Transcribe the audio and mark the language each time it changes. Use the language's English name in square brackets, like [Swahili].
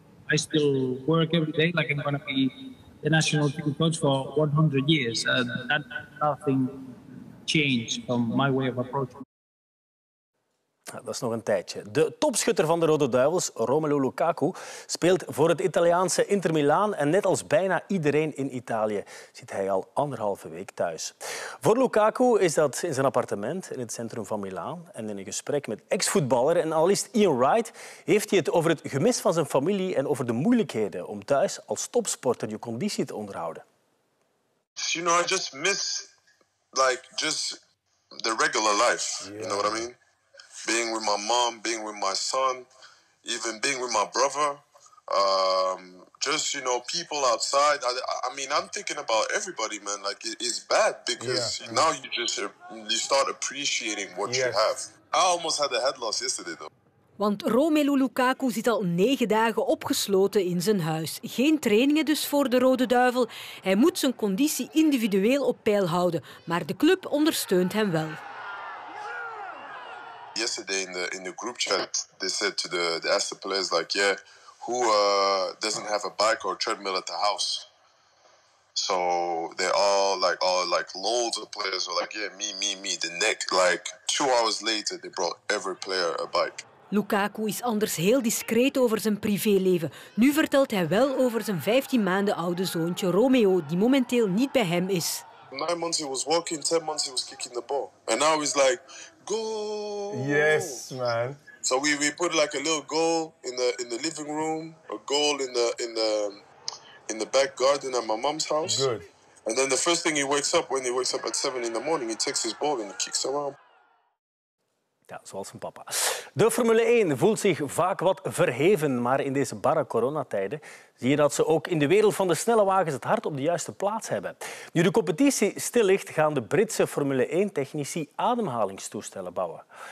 [English] I still work every day like I'm going to be the national team coach for 100 years, and that nothing changed from my way of approaching. [Dutch] Dat is nog een tijdje. De topschutter van de Rode Duivels, Romelu Lukaku, speelt voor het Italiaanse Inter Milaan en net als bijna iedereen in Italië zit hij al anderhalve week thuis. Voor Lukaku is dat in zijn appartement in het centrum van Milaan en in een gesprek met ex-voetballer en analist Ian Wright heeft hij het over het gemis van zijn familie en over de moeilijkheden om thuis als topsporter je conditie te onderhouden. [English] You know, I just miss like just the regular life. Yeah. You know what I mean? Being with my mom, being with my son, even being with my brother. Just, you know, people outside. I mean, I'm thinking about everybody, man. Like, it's bad because now you start appreciating what you have. I almost had a head loss yesterday, though. [Dutch] Want Romelu Lukaku zit al 9 dagen opgesloten in zijn huis. Geen trainingen dus voor de Rode Duivel. Hij moet zijn conditie individueel op peil houden. Maar de club ondersteunt hem wel. [English] Yesterday in the group chat, they said to the asked the players like, yeah, who doesn't have a bike or a treadmill at the house? So they all like loads of players were like, yeah, me. The neck, like 2 hours later, they brought every player a bike. [Dutch] Lukaku is anders heel discreet over zijn privéleven. Nu vertelt hij wel over zijn 15 maanden oude zoontje Romeo, die momenteel niet bij hem is. [English] 9 months he was walking, 10 months he was kicking the ball, and now he's like. Goal. Yes, man. So we put like a little goal in the living room, a goal in the back garden at my mom's house. Good. And then the first thing he wakes up at 7 in the morning, he takes his ball and he kicks around. [Dutch] Ja, zoals zijn papa. De Formule 1 voelt zich vaak wat verheven, maar in deze barre coronatijden zie je dat ze ook in de wereld van de snelle wagens het hart op de juiste plaats hebben. Nu de competitie stil ligt, gaan de Britse Formule 1-technici ademhalingstoestellen bouwen.